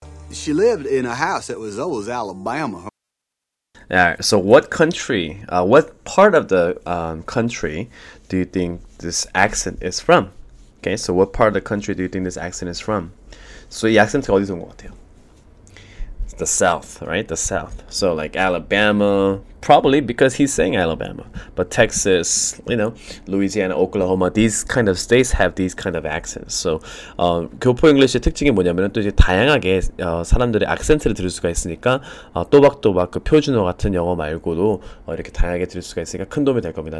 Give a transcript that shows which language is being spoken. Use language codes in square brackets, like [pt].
[en] She lived in a house that was always Alabama. Yeah, so what country, what part of the country do you think this accent is from? Okay, so what part of the country do you think this accent is from? [ko] So 이 악센트가 어디서 온 것 같아요? [en] It's the South, right? The South. So like Alabama, probably because he's saying Alabama. But Texas, you know, Louisiana, Oklahoma, these kind of states have these kind of accents. [ko] So 교포 English의 특징이 뭐냐면 또 이제 다양하게 사람들의 악센트를 들을 수가 있으니까 또박또박 그 표준어 같은 영어 말고도 이렇게 다양하게 들을 수가 있으니까 큰 도움이 될 겁니다.